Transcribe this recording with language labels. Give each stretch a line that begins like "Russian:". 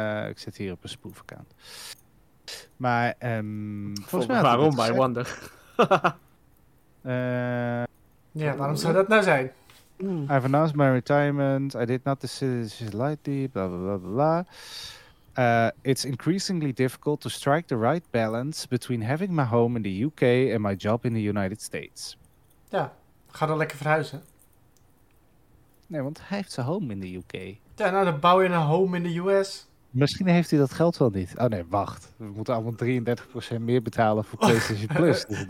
Dutch: Ik zit hier op een spoof account. Maar, volgens mij waarom, by wonder. waarom zou dat nou zijn?
English: I've announced my retirement. I did not decide lightly. Blah, blah, blah, blah. It's increasingly difficult to strike the right balance between having my home in the UK and my job in the United States.
Dutch: Ja, ga dan lekker verhuizen. Nee, want hij heeft zijn home in de UK. Ja, nou, dan bouw je een home in de US. Misschien heeft hij dat geld wel niet. Oh nee, wacht. We moeten allemaal 33% meer betalen voor PlayStation Plus.